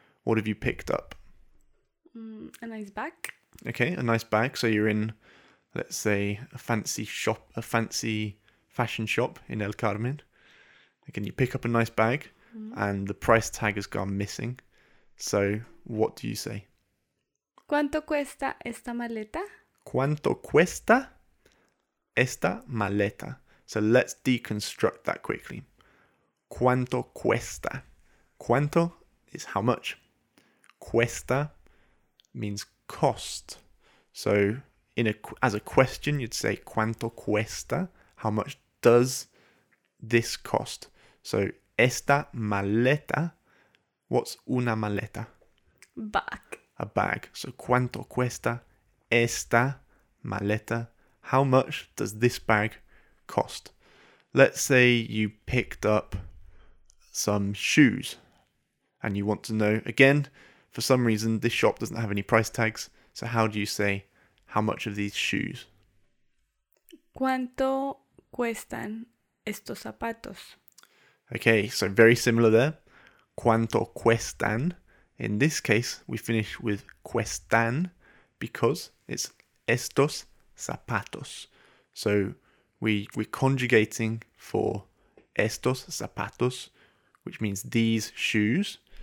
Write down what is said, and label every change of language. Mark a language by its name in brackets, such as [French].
[English] What have you picked up? A nice bag. Okay, a nice bag. So you're in, let's say, a fancy fashion shop in El Carmen. Again, you pick up a nice bag and the price tag has gone missing. So what do you say? [Spanish] ¿Cuánto cuesta esta maleta? ¿Cuánto cuesta esta maleta? [English] So let's deconstruct that quickly. [Spanish] ¿Cuánto cuesta? ¿Cuánto [English] is how much? Cuesta means cost. So as a question, you'd say [Spanish] ¿cuánto cuesta? [English] How much does this cost? So [Spanish] esta maleta, [English] what's [Spanish] una maleta? [English] Bag. A bag. So [Spanish] ¿cuánto cuesta esta maleta? [English] How much does this bag cost? Let's say you picked up some shoes and you want to know, again, for some reason, this shop doesn't have any price tags. So how do you say How much of these shoes? [Spanish] ¿Cuánto cuestan estos zapatos? [English] Okay, so very similar there. [Spanish] ¿Cuánto cuestan? [English] In this case, we finish with cuestan because it's [Spanish] estos zapatos. [English] So we're conjugating for [Spanish] estos zapatos, [English] which means these shoes.